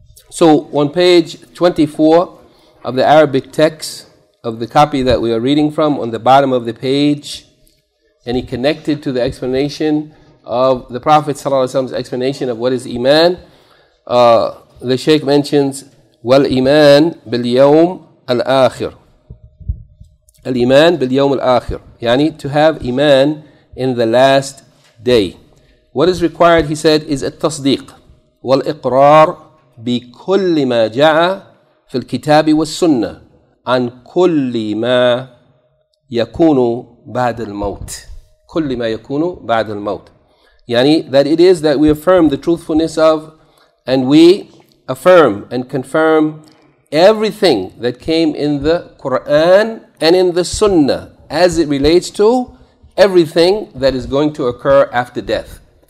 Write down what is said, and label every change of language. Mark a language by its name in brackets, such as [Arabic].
[English] So, on page 24 of the Arabic text, of the copy that we are reading from, on the bottom of the page, and he connected to the explanation of the Prophet ﷺ's explanation of what is iman, the Shaykh mentions, [Arabic] وَالْإِيمَانْ بِالْيَوْمْ الْآخِرِ الْإِيمَانْ بِالْيَوْمْ الْآخِرِ يعني [English] to have iman in the last day. What is required, he said, is [Arabic] التصديق والإقرار بكل ما جاء في الكتاب والسنة عن كل ما يكون بعد الموت. كل ما يكون بعد الموت. [English] يعني that it is that we affirm the truthfulness of and we affirm and confirm everything that came in the Quran and in the Sunnah as it relates to everything that is going to occur after death.